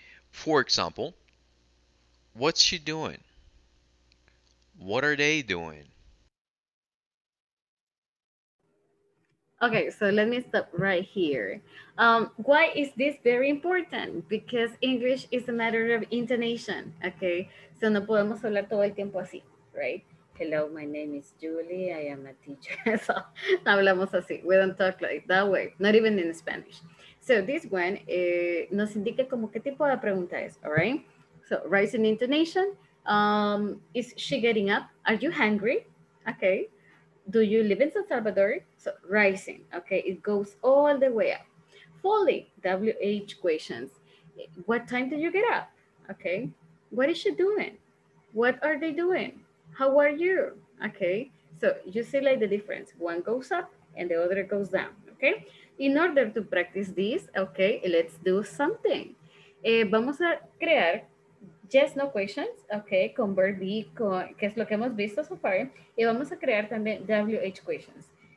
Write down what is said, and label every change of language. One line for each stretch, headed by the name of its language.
English: For example, what's she doing? What are they doing? Okay, so let me stop right here. Why is this very important? Because English is a matter of intonation, okay?
Spanish: So no podemos hablar todo el tiempo así, right?
English: Hello, my name is Julie, I am a teacher.
Spanish: So no hablamos así,
English: we don't talk like that way, not even in Spanish. So this one
Spanish: nos indica como qué tipo de pregunta es,
English: all right? So rising intonation, is she getting up? Are you hungry? Okay. Do you live in San Salvador? So rising, okay, it goes all the way up. Falling, WH questions. What time did you get up? Okay, what is she doing? What are they doing? How are you? Okay, so you see like the difference. One goes up and the other goes down, okay? In order to practice this, okay, let's do something.
Spanish: Vamos a crear
English: yes, no questions,
Spanish: okay, con verb be, que es lo que hemos visto so far, y vamos a crear también WH questions.